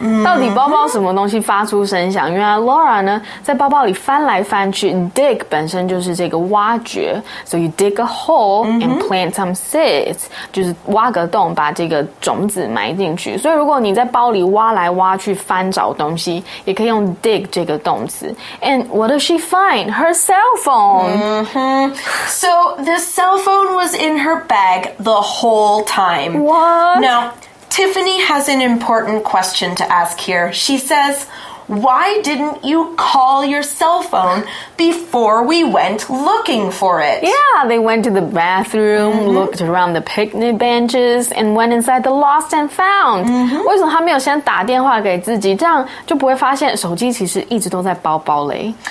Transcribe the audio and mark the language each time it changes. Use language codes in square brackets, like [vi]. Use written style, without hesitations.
[zh] 到底包包什么东西发出声响？原来 Laura 呢，在包包里翻来翻去。Dig 本身就是这个挖掘。 [en] So you dig a hole and plant some seeds. [zh] 就是挖个洞，把这个种子埋进去。所以如果你在包里挖来挖去翻找东西，也可以用 dig 这个动词。 [en] And what does she find? Her cell phone. So the cell phone was in her bag the whole time. What? Now, Tiffany has an important question to ask here. She says, why didn't you call your cell phone before we went looking for it? Yeah, they went to the bathroom, looked around the picnic benches, and went inside the lost and found. [zh] 为什么他没有先打电话给自己，这样就不会发现手机其实一直都在包包里。